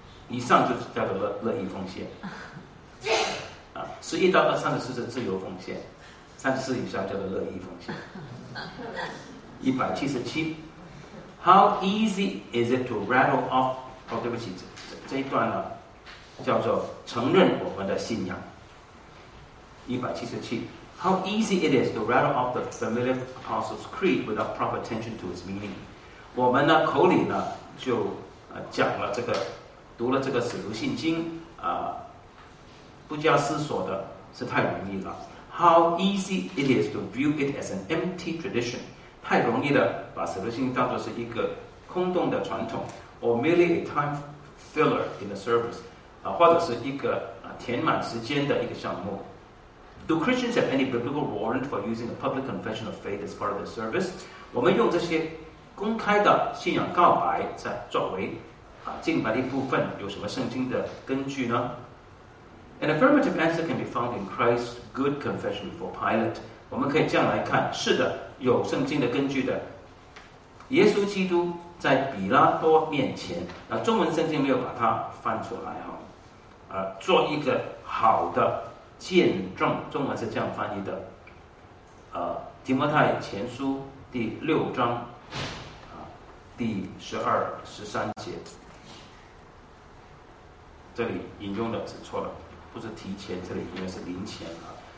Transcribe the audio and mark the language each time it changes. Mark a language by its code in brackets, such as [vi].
[zh] 以上就叫做乐意奉献。11-34是自由奉献。 34以上叫做乐意奉献。 177 [en] How easy is it to rattle off [zh] 对不起 这一段呢叫做承认我们的信仰。 [en] 177 How easy it is to rattle off the familiar Apostles' Creed without proper attention to its meaning. [zh] 我们呢口里呢就讲了这个，读了这个使徒信经啊，不加思索的是太容易了。 [en] How easy it is to view it as an empty tradition， [zh] 太容易的把使徒信经当作是一个空洞的传统 [en] ，or merely a time filler in the service， [zh] 啊，或者是一个啊填满时间的一个项目。 [en] Do Christians have any biblical warrant for using a public confession of faith as part of the service？ [zh] 我们用这些公开的信仰告白在作为啊敬拜的一部分，有什么圣经的根据呢 ？ [en] An affirmative answer can be found in Christ's good confession before Pilate。 [zh] 我们可以这样来看，是的，有圣经的根据的。耶稣基督在比拉多面前，那中文圣经没有把它翻出来哈，做一个好的见证，中文是这样翻译的，提摩太前书第六章，第十二、十三节，这里引用的是错了，不是提前，这里应该是临前啊。